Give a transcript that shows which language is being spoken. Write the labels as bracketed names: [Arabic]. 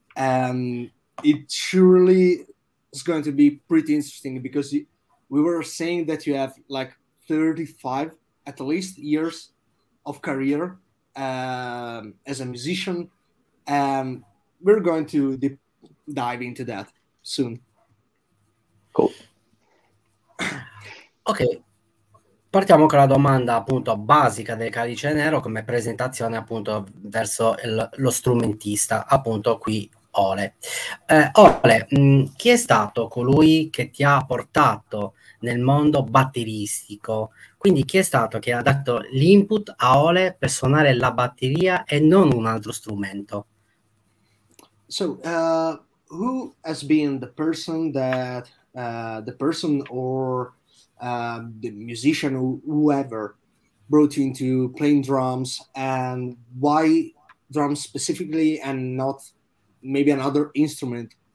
[English] It surely is going to be pretty interesting because we were saying that you have like 35 at least years of career as a musician, and we're going to deep dive into that soon. [Italian] Ok, partiamo con la domanda appunto basica del Calice Nero come presentazione appunto verso lo strumentista, appunto qui Ole. Ole, chi è stato colui che ti ha portato nel mondo batteristico? Quindi chi è stato che ha dato l'input a Ole per suonare la batteria e non un altro strumento? [English] So, who has been the person that the person or the musician or whoever brought you into playing drums, and why drums specifically and not maybe another instrument?